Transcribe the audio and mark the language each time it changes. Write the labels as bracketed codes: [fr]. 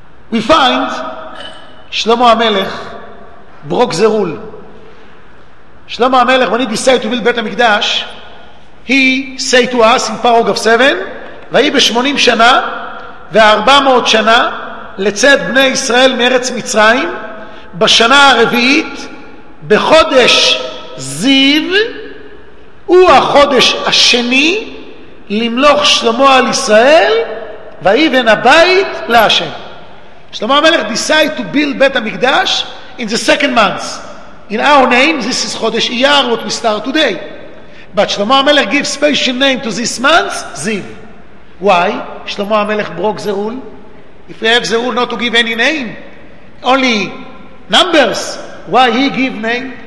[en] We find Shlomo HaMelech broke the rule. Shlomo HaMelech, when he decided to build Beit HaMikdash, he said to us in paragraph 7, [he] "Vayi ב-80 שנה ו-400 שנה לצאת בני ישראל מארץ מצרים, בשנה הרביעית בחודש זיו הוא החודש השני למלוך שלמה על ישראל, ויבן הבית להשם. [en] שלמה המלך decide to build בית המקדש in the second month. In our name, this is חודש אייר, what we start today. But שלמה המלך give special name to this month, זיו. Why? שלמה המלך broke the rule. If we have the rule not to give any name, only numbers, why he give name?